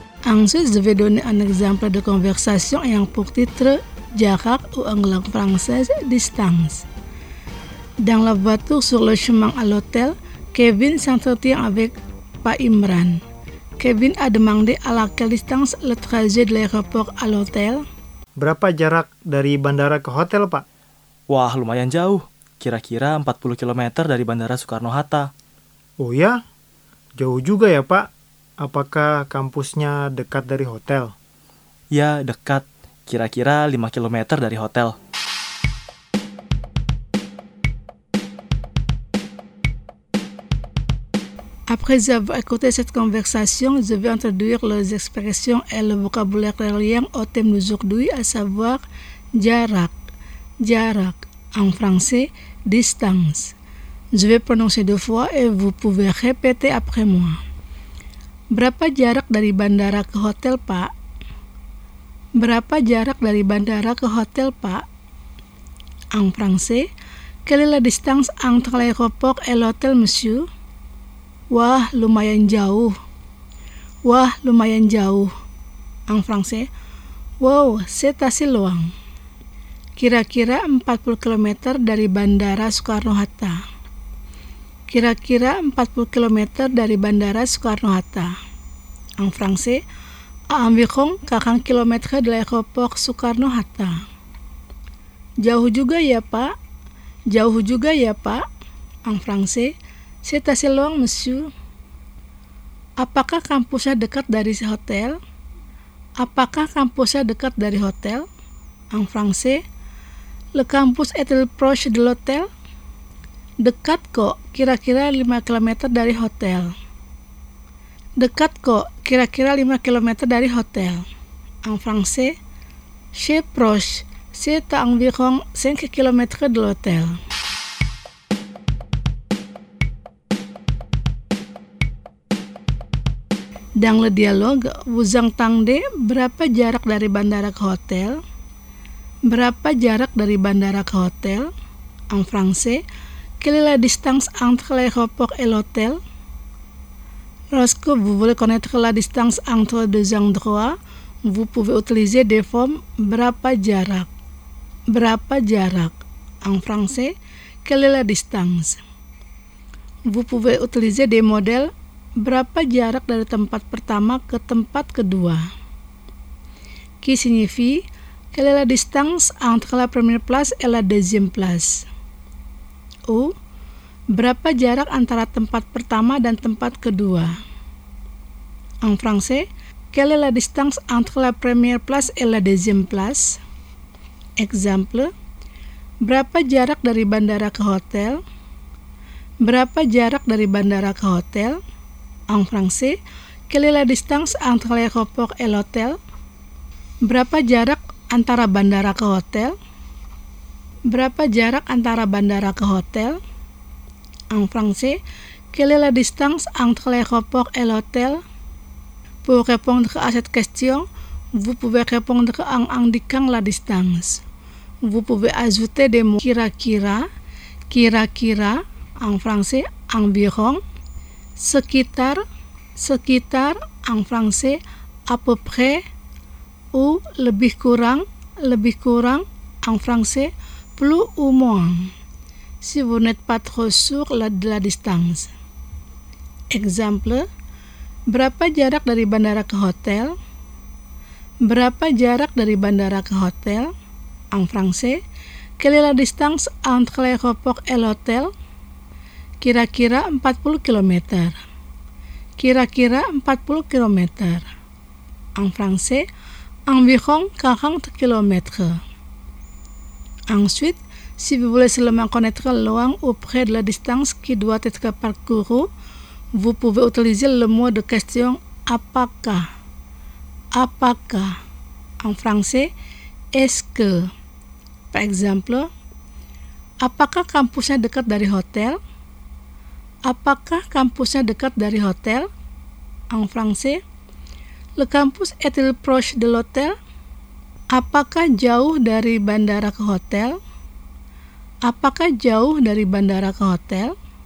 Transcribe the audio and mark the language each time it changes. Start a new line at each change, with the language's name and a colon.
French: Ensuite, je vais donner un exemple de conversation ayant pour titre « Jarak » ou en langue française « Distance ». Dans la voiture sur le chemin à l'hôtel, Kevin s'entretient avec Pak Imran. Kevin a demandé à laquelle distance le trajet de l'aéroport à l'hôtel.
Indonesian: Berapa jarak dari bandara ke hotel, Pak? Wah, lumayan jauh. Kira-kira 40 km dari bandara Soekarno-Hatta. Oh ya? Jauh juga ya, Pak? Apakah kampusnya dekat dari hotel? Ya, dekat. Kira-kira 5 km dari hotel.
French: Après avoir écouté cette conversation, je vais introduire les expressions et le vocabulaire reliant au thème d'aujourd'hui, à savoir jarak. Jarak, en français, distance. Je vais prononcer deux fois et vous pouvez répéter après moi.
Indonesian: Berapa jarak dari bandara ke hotel, Pak? Berapa jarak dari bandara ke hotel, Pak?
French: En français, quelle est la distance entre l'aéroport et l'hôtel, monsieur?
Indonesian: Wah, lumayan jauh. Wah, lumayan jauh.
French: En français, wow, c'est assez loin.
Indonesian: Kira-kira 40 km dari bandara Soekarno-Hatta. Kira-kira 40 km dari bandara Soekarno-Hatta.
French: En français, à environ 40 km de l'aéroport Soekarno-Hatta.
Indonesian: Jauh juga ya, Pak. Jauh juga ya, Pak.
French: En français, c'est assez loin, monsieur.
Indonesian: Apakah kampusnya dekat dari hotel? Apakah kampusnya dekat dari hotel?
French: En français, le campus est-il proche de l'hôtel?
Indonesian: Dekat kok, kira-kira 5 km dari hotel. Dekat kok, kira-kira 5 km dari hotel.
French: En français, c'est proche, c'est à environ 5 km de l'hôtel. Dans le dialogue, vous entendez
Indonesian: berapa jarak dari bandara ke hotel? Berapa jarak dari bandara ke hotel?
French: En français, quelle est la distance entre l'aéroport et l'hôtel? Lorsque vous voulez connaître la distance entre deux endroits, Vous pouvez utiliser des formes
Indonesian: berapa jarak? Berapa jarak?
French: En français, quelle est la distance? Vous pouvez utiliser des modèles
Indonesian: berapa jarak dari tempat pertama ke tempat kedua?
French: Qui signifie quelle est la distance entre la première place et la deuxième place?
Indonesian: Ou berapa jarak antara tempat pertama dan tempat kedua?
French: En français, quelle est la distance entre la première place et la deuxième place?
Indonesian: Exemple, berapa jarak dari bandara ke hotel? Berapa jarak dari bandara ke hotel?
French: En français, quelle est la distance entre l'aéroport et l'hôtel?
Indonesian: Berapa jarak antara bandara ke hotel? Berapa jarak antara bandara ke hotel?
French: En français, quelle est la distance entre l'aéroport et l'hôtel? Pour répondre à cette question, vous pouvez répondre en indiquant la distance. Vous pouvez ajouter des mots
Indonesian: kira-kira, kira-kira,
French: en français, environ,
Indonesian: sekitar, sekitar,
French: en français, à peu près, ou
Indonesian: lebih kurang,
French: en français, plus ou moins, si vous n'êtes pas trop sûr de la distance.
Indonesian: Exemple, berapa jarak dari bandara ke hotel? Berapa jarak dari bandara ke hotel?
French: En français, quelle est la distance entre l'aéroport et l'hôtel?
Indonesian: Kira-kira 40 km. Kira-kira 40 km.
French: En français, environ 40 km. Ensuite, si vous voulez seulement connaître loin ou près de la distance qui doit être parcourue, vous pouvez utiliser le mot de question apakah. Apakah. En français, est-ce que. Par exemple,
Indonesian: apakah kampusnya dekat dari hotel? Apakah kampusnya dekat dari hotel?
French: En français, le campus est-il proche de l'hôtel?
Indonesian: Apakah jauh dari bandara ke hotel? Apakah jauh dari bandara ke hotel?